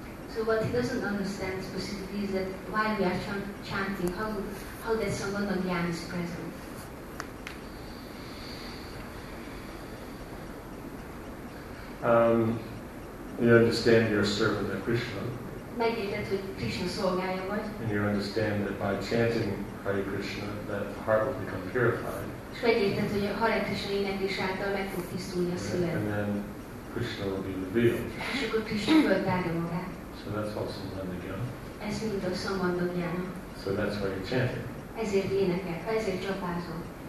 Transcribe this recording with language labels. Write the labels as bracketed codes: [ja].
[en] So what he doesn't understand specifically is that while we are chanting, how that Sambandha Gyan is present. You understand you're a servant of Krishna. [hu] Megérted, hogy Krishna szolgálja vagy. [en] And you understand that by chanting Hare Krishna, that heart will become purified. [hu] És megérted, hogy a Hare Krishna éneklés által meg fog tisztulni a szíved. [en] And then Krishna will be revealed. [hu] És akkor Krishna föltárja magát. [en] So that's all Sambandha Gyan. [hu] Ez mind a Sambandha Gyan. [en] So that's why you're chanting. [hu] Ezért énekel, ezért csapázol.